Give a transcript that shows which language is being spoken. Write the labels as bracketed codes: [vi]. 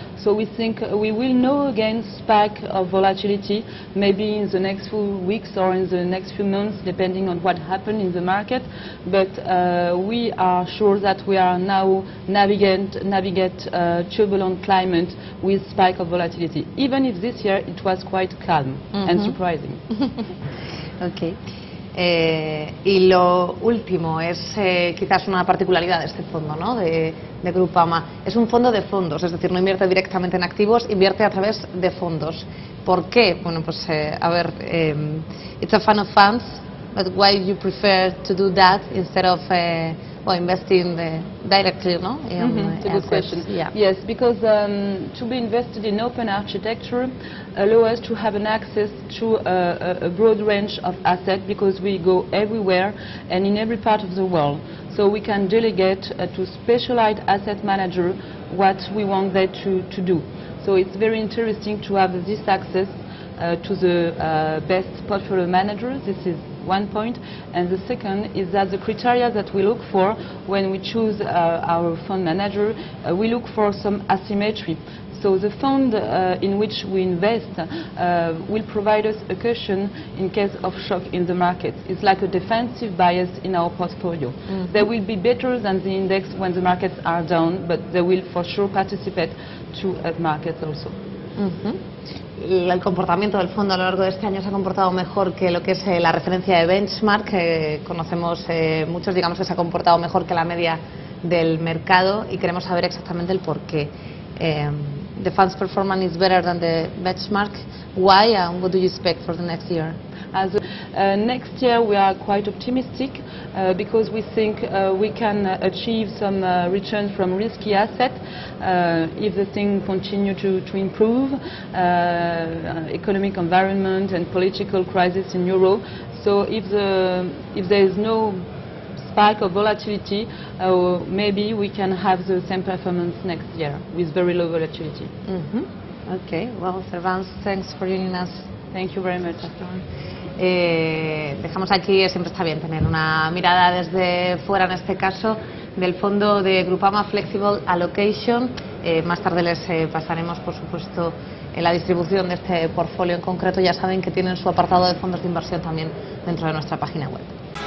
[en] So we think we will know again spike of volatility, maybe in the next few weeks or in the next few months, depending on what happened in the market. But we are sure that we are now navigate turbulent climate with spike of volatility, even if this year it was quite calm, mm-hmm. and surprising. Okay. [es] Y lo último es quizás una particularidad de este fondo, ¿no? De Groupama. Es un fondo de fondos, es decir, no invierte directamente en activos, invierte a través de fondos. ¿Por qué? Bueno, pues a ver, [en] it's a fund of funds, but why you prefer to do that instead of Well, investing directly, no? It's a good question. Yeah. Yes, because to be invested in open architecture allows us to have an access to a broad range of assets, because we go everywhere and in every part of the world. So we can delegate to specialized asset manager what we want them to do. So it's very interesting to have this access to the best portfolio manager. This is one point. And the second is that the criteria that we look for when we choose our fund manager, we look for some asymmetry. So the fund in which we invest will provide us a cushion in case of shock in the market. It's like a defensive bias in our portfolio. Mm-hmm. They will be better than the index when the markets are down, but they will for sure participate to the markets also. Mm-hmm. [es] El comportamiento del fondo a lo largo de este año se ha comportado mejor que lo que es la referencia de benchmark, que conocemos muchos, digamos que se ha comportado mejor que la media del mercado, y queremos saber exactamente el porqué. [en] The fund's performance is better than the benchmark. Why and what do you expect for the next year? As next year we are quite optimistic because we think we can achieve some return from risky assets if the thing continue to improve, economic environment and political crisis in Euro. So if there is no spike of volatility, maybe we can have the same performance next year with very low volatility. Mm-hmm. Okay, well, Cervantes, thanks for joining us. Thank you very much. [es] Dejamos aquí, siempre está bien tener una mirada desde fuera, en este caso del fondo de Groupama Flexible Allocation. Más tarde les pasaremos, por supuesto, en la distribución de este portfolio en concreto. Ya saben que tienen su apartado de fondos de inversión también dentro de nuestra página web.